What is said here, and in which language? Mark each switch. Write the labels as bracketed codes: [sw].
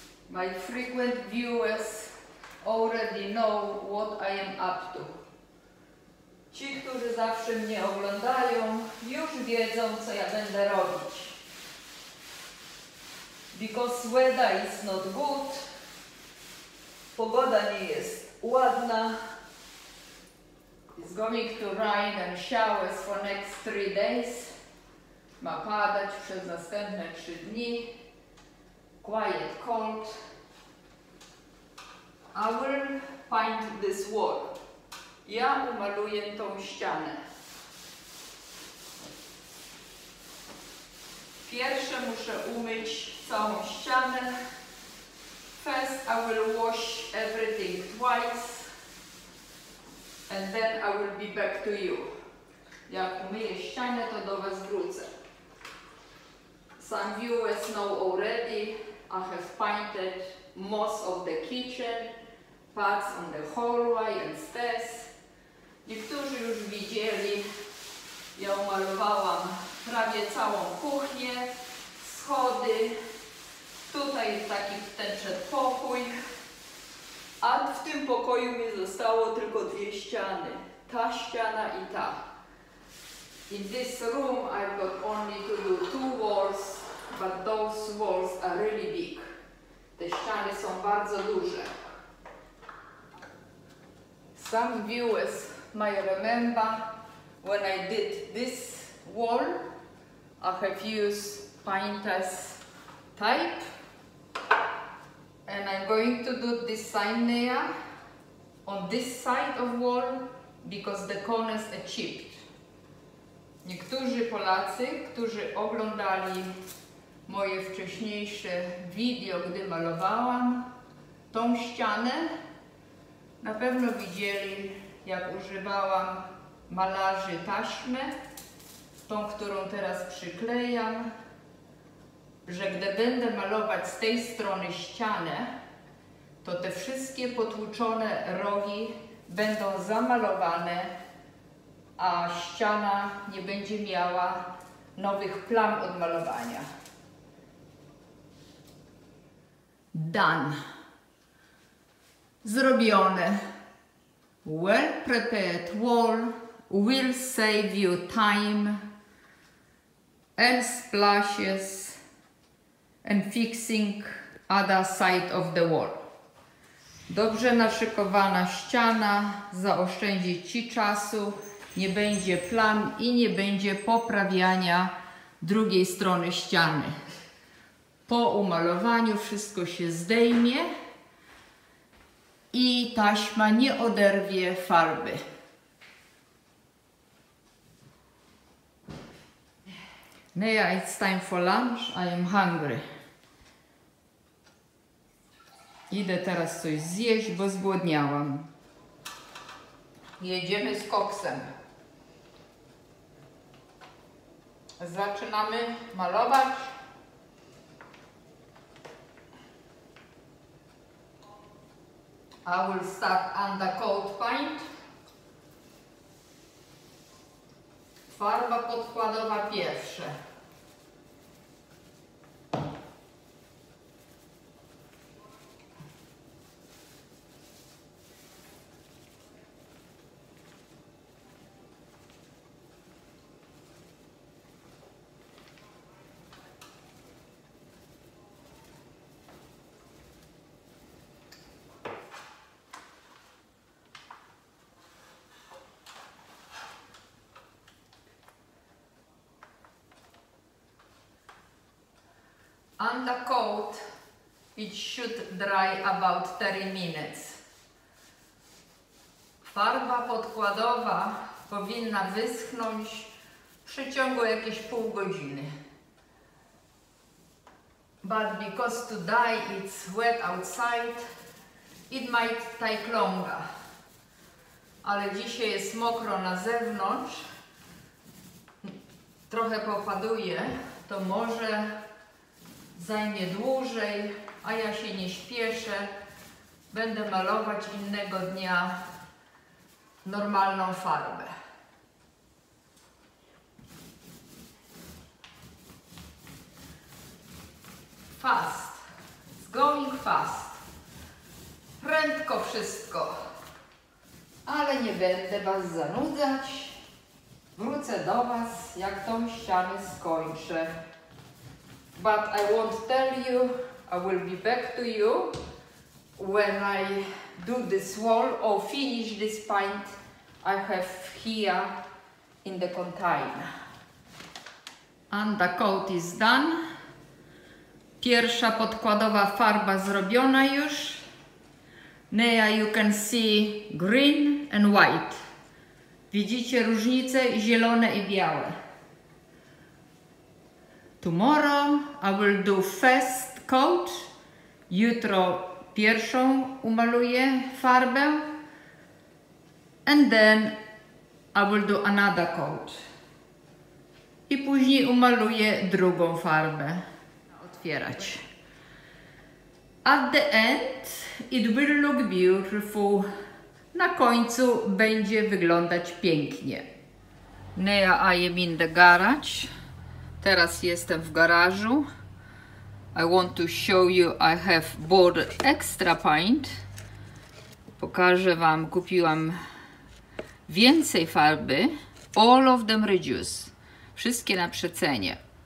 [en] My frequent viewers already know what I am up to. [pl] Ci, którzy zawsze mnie oglądają, już wiedzą, co ja będę robić. [en] Because weather is not good, [pl] pogoda nie jest ładna. [en] It's going to rain and showers for next 3 days. [pl] Ma padać przez następne 3 dni. [en] Quiet cold. I will paint this wall. [pl] Ja umaluję tą ścianę. Pierwsze muszę umyć całą ścianę. [en] First I will wash everything twice. And then I will be back to you. [pl] Jak umyję ścianę, to do was wrócę. [en] Some viewers know already, I have painted most of the kitchen, parts on the hallway and stairs. [pl] Niektórzy już widzieli, ja umalowałam prawie całą kuchnię, schody, tutaj taki ten przedpokój, a w tym pokoju mi zostało tylko 2 ściany, ta ściana i ta. [en] In this room I've got only to do 2 walls, but those walls are really big. [pl] Te ściany są bardzo duże. [en] Some viewers might remember when I did this wall, I have used painter's tape, and I'm going to do this sign there on this side of wall because the corners are chipped. [pl] Niektórzy Polacy, którzy oglądali moje wcześniejsze video, gdy malowałam tą ścianę, na pewno widzieli, jak używałam malarzy taśmę, tą, którą teraz przyklejam, że gdy będę malować z tej strony ścianę, to te wszystkie potłuczone rogi będą zamalowane, a ściana nie będzie miała nowych plam od malowania. [en] Done. [pl] Zrobione. Well-prepared wall will save you time and splashes and fixing other side of the wall. Dobrze naszykowana ściana zaoszczędzi ci czasu, nie będzie plam i nie będzie poprawiania drugiej strony ściany. Po umalowaniu wszystko się zdejmie i taśma nie oderwie farby. [en] Now it's time for lunch. I am hungry. [pl] Idę teraz coś zjeść, bo zgłodniałam. Jedziemy z koksem. Zaczynamy malować. [en] I will start undercoat paint. [pl] Farba podkładowa pierwsza. [en] Undercoat, it should dry about 30 minutes. [pl] Farba podkładowa powinna wyschnąć w przeciągu jakieś pół godziny. [en] But because today it's wet outside, it might take longer. [pl] Ale dzisiaj jest mokro na zewnątrz, trochę popaduje, to może zajmie dłużej, a ja się nie śpieszę. Będę malować innego dnia normalną farbę. [en] Fast. It's going fast. [pl] Prędko wszystko. Ale nie będę Was zanudzać. Wrócę do Was, jak tą ścianę skończę. [en] But I won't tell you, I will be back to you when I do this wall or finish this paint I have here in the container. Undercoat is done. [pl] Pierwsza podkładowa farba zrobiona już. [en] Now you can see green and white. [pl] Widzicie różnicę? Zielone i białe. [en] Tomorrow I will do first coat. [pl] Jutro pierwszą umaluję farbę. [en] And then I will do another coat. [pl] I później umaluję drugą farbę. Otwierać. [en] At the end it will look beautiful. [pl] Na końcu będzie wyglądać pięknie. [en] Now I am in the garage. [pl] Teraz jestem w garażu. [en] I want to show you I have bought extra paint. [pl] Pokażę Wam, kupiłam więcej farby. [en] All of them reduced. [pl] Wszystkie na przecenie.